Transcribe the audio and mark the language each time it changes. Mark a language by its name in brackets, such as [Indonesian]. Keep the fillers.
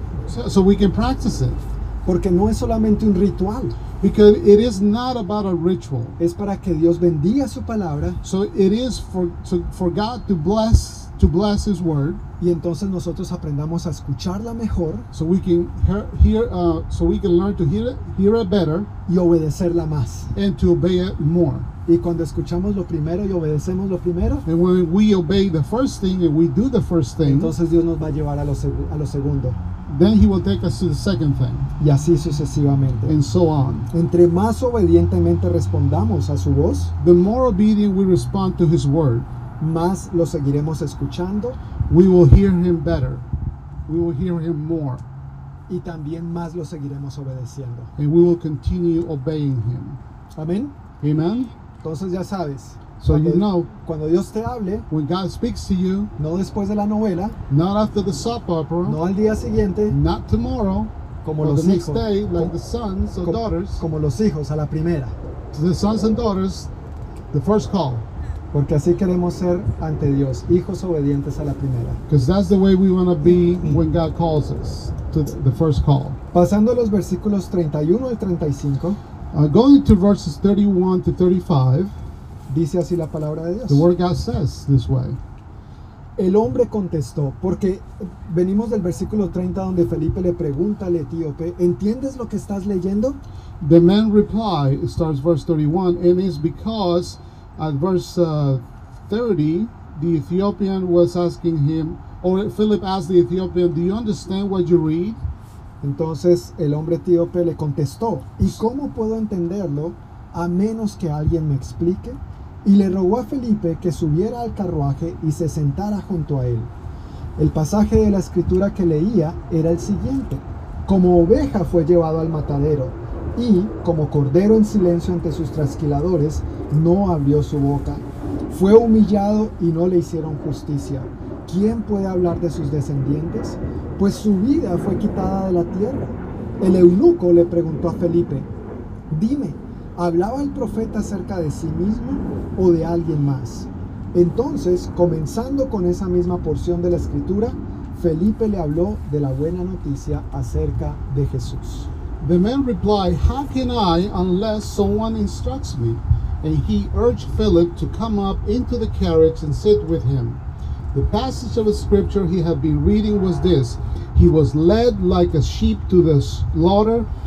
[English] So, so we can practice it. [Spanish] Porque no es solamente un ritual. [English] Because it is not about a ritual. [Spanish] Es para que Dios bendiga su palabra. [English] So it is for so for God to bless to bless His word. [Spanish] Y entonces nosotros aprendamos a escucharla mejor. [English] So we can hear, uh, so we can learn to hear it, hear it, better. [Spanish] Y obedecerla más. [English] And to obey it more. [Spanish] Y cuando escuchamos lo primero y obedecemos lo primero. [English] And when we obey the first thing and we do the first thing. [Spanish] Entonces Dios nos va a llevar a lo, a lo segundo. [English] Then he will take us to the second thing. [Spanish] Y así sucesivamente. [English] And so on. [Spanish] Entre más obedientemente respondamos a su voz, [English] the more obedient we respond to his word, [Spanish] más lo seguiremos escuchando. [English] We will hear him better. We will hear him more. [Spanish] Y también más lo seguiremos obedeciendo. [English] And we will continue obeying him. [Spanish] Amen. Amen. Entonces ya sabes. So cuando, you know, cuando Dios te hable, [English] when God speaks to you, [Spanish] no después de la novela, [English] not after the supper, [Spanish] no al día siguiente, [English] not tomorrow, [Spanish] como los the next hijos, day, com, like the sons or daughters, como los hijos a la primera, to the sons and daughters, the first call, porque así queremos ser ante Dios, hijos obedientes a la primera, [English] because that's the way we want to be when God calls us to the first call. [Spanish] Pasando a los versículos 31 al 35, [English] going to verses 31 to 35. [Spanish] Dice así la palabra de Dios. [English] The word God says this way. [Spanish] El hombre contestó, porque venimos del versículo 30 donde Felipe le pregunta al etíope, ¿entiendes lo que estás leyendo? [English] The man reply it starts verse 31 and es because at verse uh, 30 the Ethiopian was asking him or Philip asked the Ethiopian, "Do you understand what you read?" [Spanish] Entonces el hombre etíope le contestó, "¿Y cómo puedo entenderlo a menos que alguien me explique?" y le rogó a Felipe que subiera al carruaje y se sentara junto a él. El pasaje de la escritura que leía era el siguiente. Como oveja fue llevado al matadero y, como cordero en silencio ante sus trasquiladores, no abrió su boca. Fue humillado y no le hicieron justicia. ¿Quién puede hablar de sus descendientes? Pues su vida fue quitada de la tierra. El eunuco le preguntó a Felipe, dime, ¿Hablaba el profeta acerca de sí mismo o de alguien más? Entonces, comenzando con esa misma porción de la escritura, Felipe le habló de la buena noticia acerca de Jesús. [English] The man replied, How can I unless someone instructs me? And he urged Philip to come up into the carriage and sit with him. The passage of the scripture he had been reading was this He was led like a sheep to the slaughter.